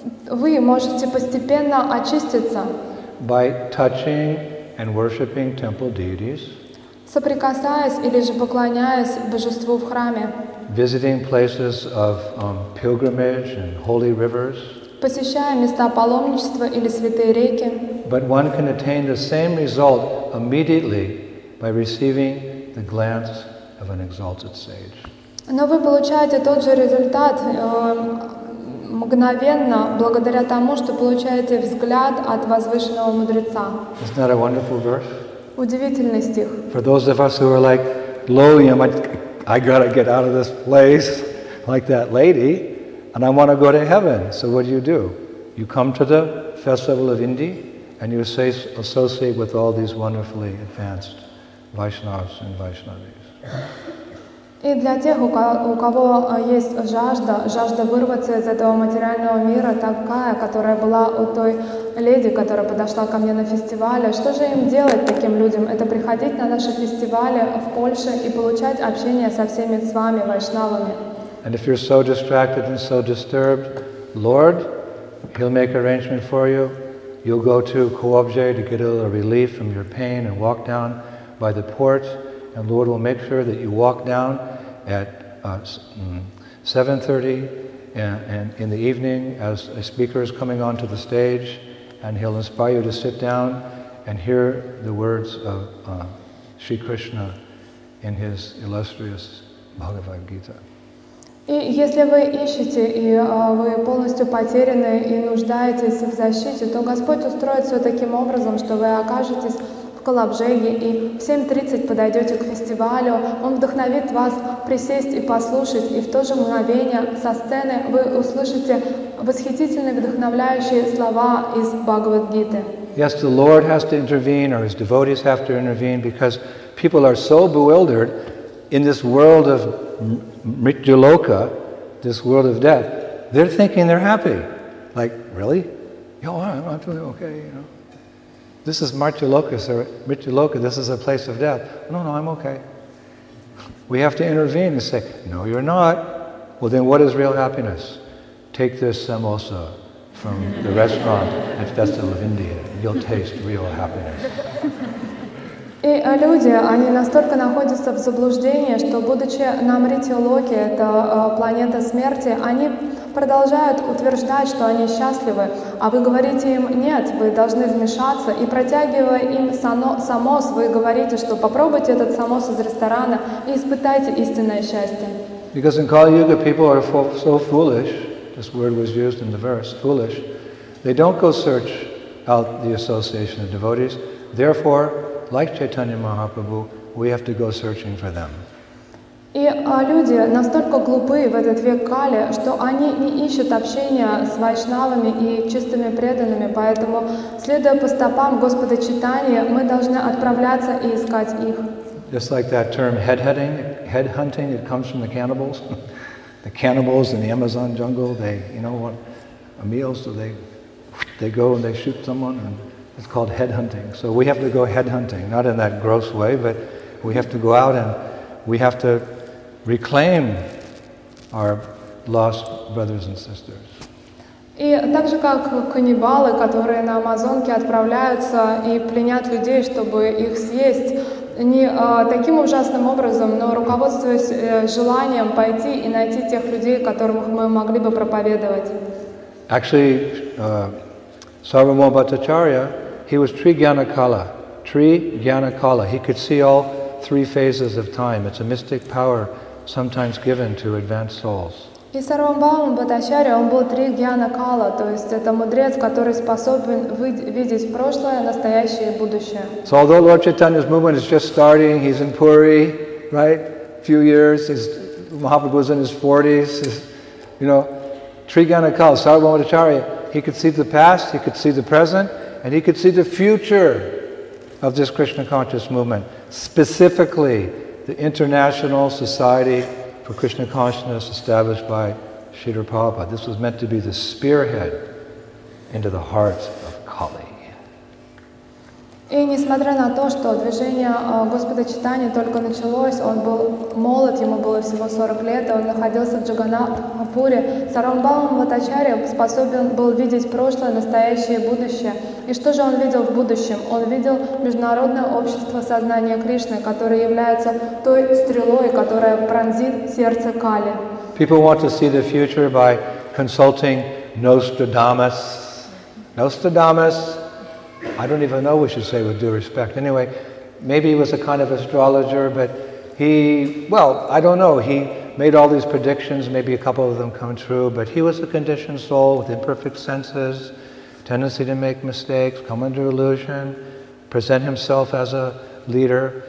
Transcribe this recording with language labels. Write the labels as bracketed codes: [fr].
[ru] Вы можете постепенно очиститься [en] by touching and worshiping temple deities, [ru] соприкасаясь или же поклоняясь божеству в храме. [en] Visiting places of pilgrimage and holy rivers. [ru] Посещая места паломничества или святые реки. [en] But one can attain the same result immediately by receiving the glance of an exalted sage. [ru] Но вы получаете тот же результат мгновенно благодаря тому, что получаете взгляд от возвышенного мудреца. [en] Isn't that a wonderful verse? [ru] Удивительный стих. [en] For those of us who are like, lowly, I gotta get out of this place, like that lady, and I want to go to heaven. So what do? You come to the festival of Indi, and you associate with all these wonderfully advanced Vaishnavas and Vaishnavis. [ru] И для тех, у кого есть жажда, жажда вырваться из этого материального мира, такая, которая была у той леди, которая подошла ко мне на фестивале, что же им делать, таким людям? Это приходить на наши фестивали в Польше и получать общение со всеми с вами, вайшнавами. [en] And if you're so distracted and so disturbed, Lord, He'll make arrangement for you. You'll go to Kuobje to get a little relief from your pain and walk down by the port. And Lord will make sure that you walk down at 7:30 and in the evening as a speaker is coming onto the stage, and He'll inspire you to sit down and hear the words of Sri Krishna in His illustrious Bhagavad Gita. [ru] И если вы ищете, и вы полностью потеряны и нуждаетесь в защите, то Господь устроит все таким образом, что вы окажетесь Калабжеги, и в 7:30 подойдете к фестивалю, Он вдохновит вас присесть и послушать, и в то же мгновение со сцены вы услышите восхитительные, вдохновляющие слова из Бхагавад-гиты. [en] Yes, the Lord has to intervene, or His devotees have to intervene, because people are so bewildered in this world of Mrityuloka, this world of death, they're thinking they're happy. Like, really? Yeah, I'm totally okay, you know. This is Mrityuloka, this is a place of death. No, I'm okay. We have to intervene and say, no, you're not. Well, then what is real happiness? Take this samosa from the restaurant at Festival of India. You'll taste real happiness. [ru] И люди, они настолько находятся в заблуждении, что будучи на Мритилоке, это планета смерти, они продолжают утверждать, что они счастливы, а вы говорите им нет, вы должны вмешаться, и протягивая им самос, вы говорите, что попробуйте этот самос из ресторана и испытайте истинное счастье. [en] Because in Kali Yuga people are so foolish, this word was used in the verse, foolish, they don't go search out the association of devotees, therefore, like Chaitanya Mahaprabhu, we have to go searching for them. [ru] И люди настолько глупы в этот век Кали, что они не ищут общения с вайшнавами и чистыми преданными, поэтому, следуя по стопам Господа Чайтаньи, мы должны отправляться и искать их. [en] Just like that term headheading, headhunting, it comes from the cannibals. The cannibals in the Amazon jungle, they, you know what, a meal, so they go and they shoot someone, and it's called headhunting. So we have to go headhunting, not in that gross way, but we have to go out and we have to reclaim our lost brothers and sisters. [ru] И так же, как каннибалы, которые на Амазонке отправляются и пленят людей, чтобы их съесть, не таким ужасным образом, но руководствуясь желанием пойти и найти тех людей, которым мы могли бы проповедовать. [en] Actually, Sarvamoha Bhattacharya, he was Tri Gyanakala. He could see all three phases of time. It's a mystic power sometimes given to advanced souls. [ru] И Сарвамбхава Бхаттачарья, он был три гьяна кала, то есть это мудрец, который способен видеть прошлое, настоящее и будущее. [en] So although Lord Chaitanya's movement is just starting, he's in Puri, right? Few years, Mahaprabhu's in his 40s, you know, three gyana kala, Sarvamoha Bhattacharya, he could see the past, he could see the present, and he could see the future of this Krishna conscious movement. Specifically, the International Society for Krishna Consciousness established by Śrīdhara Prabhupāda. This was meant to be the spearhead into the heart of Kali. [ru] И несмотря на то, что движение Господа Чайтаньи только началось, он был молод, ему было всего 40 лет, он находился в Джаганнатхапуре, Сарвабхаума Бхаттачарья способен был видеть прошлое, настоящее и будущее. И что же он видел в будущем? Он видел международное общество сознания Кришны, которое является той стрелой, которая пронзит сердце Кали. [en] People want to see the future by consulting Nostradamus. Nostradamus. I don't even know what we should say with due respect. Anyway, maybe he was a kind of astrologer, but he, well, I don't know. He made all these predictions, maybe a couple of them come true, but he was a conditioned soul with imperfect senses, tendency to make mistakes, come under illusion, present himself as a leader.